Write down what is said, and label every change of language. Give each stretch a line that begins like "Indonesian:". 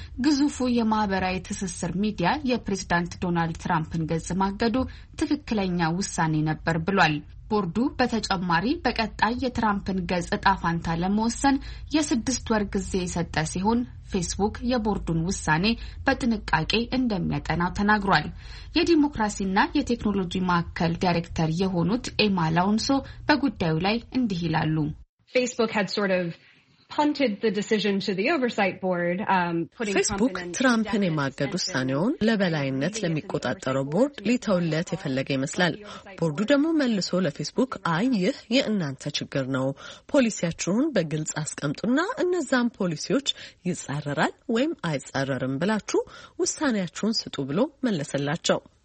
Amharic: ግዙፉ የማህበራዊ ትስስር ሚዲያ የፕሬዝዳንት ዶናልድ ትራምፕን ገጽ ማገዱ ትክክለኛ ውሳኔ ነበር ብሏል። ቦርዱ በተጨማሪ በቀጣይ የትራምፕን ገጽ ዕጣ ፈንታ ለመወሰን የስድስት ወር ጊዜ የሰጠ ሲሆን ፌስቡክ የቦርዱን ውሳኔ በጥንቃቄ እንደሚያጠናው ተናግሯል። የዲሞክራሲና የቴክኖሎጂ ማዕከል ዳይሬክተር የሆኑት ኤማ ላውንሶ በጉዳዩ ላይ እንዲህ ይላሉ።
English: Facebook had sort of punted the decision to the oversight board
Amharic: Facebook Trumpን የማገድ ውሳኔውን ለበላይነት ለሚቆጣጠረው ቦርድ ሊተውለት የፈለገ ይመስላል። ቦርዱ ደግሞ መልሶ ለፌስቡክ አይ ይህ የእናንተ ችግር ነው፣ ፖሊሲያችሁን በግልጽ አስቀምጡና እነዛን ፖሊሲዎች ይጻረራል ወይም አይጻረርም ብላችሁ ውሳኔያችሁን ስጡ ብሎ መለሰላቸው።